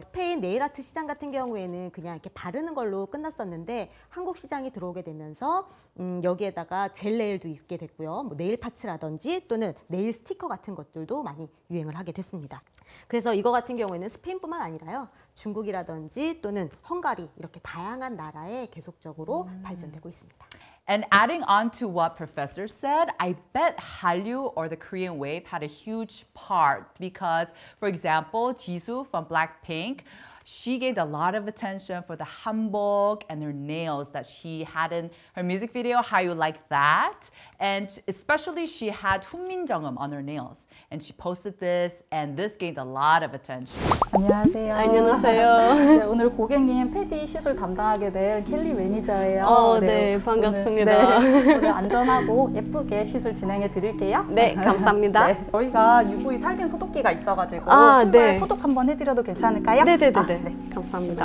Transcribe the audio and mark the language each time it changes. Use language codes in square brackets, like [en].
[ko] 스페인 네일 아트 시장 같은 경우에는 그냥 이렇게 바르는 걸로 끝났었는데 한국 시장이 들어오게 되면서 여기에다가 젤 네일도 있게 됐고요. 뭐 네일 파츠라든지 또는 네일 스티커 같은 것들도 많이 유행을 하게 됐습니다. 그래서 이거 같은 경우에는 스페인뿐만 아니라요, 중국이라든지 또는 헝가리 이렇게 다양한 나라에 계속적으로 발전되고 있습니다. [en] And adding on to what Professor said, I bet Hallyu or the Korean wave had a huge part because, for example, Jisoo from Blackpink, she gained a lot of attention for the hanbok and her nails that she had in her music video, How You Like That. And especially she had 훈민정음 on her nails. And she posted this and this gained a lot of attention. [ko] 안녕하세요. 안녕하세요. 네, 오늘 고객님 패디 시술 담당하게 될 켈리 매니저예요. 네, 네, 반갑습니다. 오늘, 네, 오늘 안전하고 예쁘게 시술 진행해 드릴게요. 네, 감사합니다. 네, 저희가 UV 살균 소독기가 있어가지고 네, 소독 한번 해드려도 괜찮을까요? 네네네. 네, 네. 네, 감사합니다.